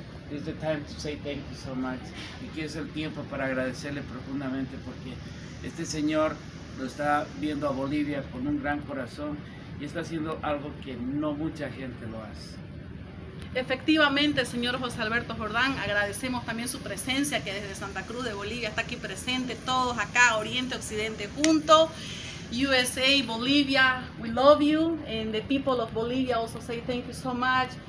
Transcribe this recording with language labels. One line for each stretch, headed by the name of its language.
English: It's the time to say thank you so much.
Spanish: Y que es el tiempo para agradecerle profundamente porque este señor lo está viendo a Bolivia con un gran corazón y está haciendo algo que no mucha gente lo hace. Efectivamente, señor José Alberto Jordán, agradecemos también su presencia, que desde Santa Cruz de Bolivia está aquí presente, todos acá, Oriente, Occidente, junto.
English: USA, Bolivia, we love you. And the people of Bolivia also say thank you so much.